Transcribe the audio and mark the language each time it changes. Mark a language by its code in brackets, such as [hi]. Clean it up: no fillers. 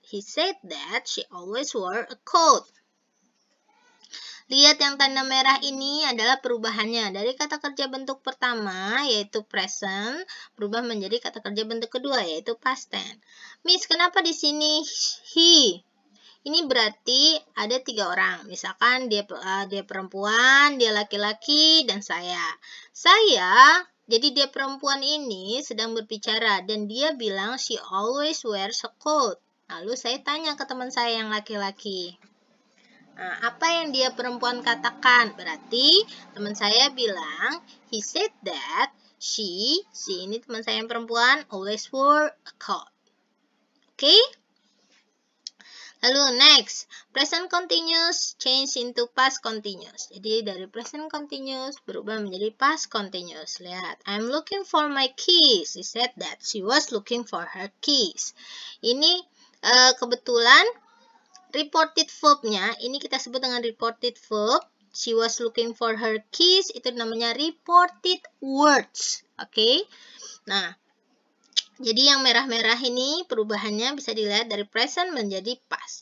[en] He said that she always wore a coat. [id] Lihat yang tanda merah ini adalah perubahannya. Dari kata kerja bentuk pertama, yaitu present, berubah menjadi kata kerja bentuk kedua, yaitu past tense. Miss, kenapa di sini he? Ini berarti ada tiga orang. Misalkan dia dia perempuan, dia laki-laki, dan saya. Saya, jadi dia perempuan ini sedang berbicara. Dan dia bilang, [en] she always wears a coat. [id] Lalu saya tanya ke teman saya yang laki-laki. Nah, apa yang dia perempuan katakan? Berarti teman saya bilang, [en] he said that she [id] ini teman saya yang perempuan, [en] always wore a coat. [id] Okay? Lalu, [en] next, present continuous change into past continuous. [id] Jadi, dari present continuous berubah menjadi past continuous. Lihat, [en] I'm looking for my keys. She said that she was looking for her keys. [id] Ini kebetulan reported verb-nya, ini kita sebut dengan reported verb. [en] She was looking for her keys, [id] itu namanya [en] reported words. Okay? [id] Nah, jadi yang merah-merah ini perubahannya bisa dilihat dari present menjadi past.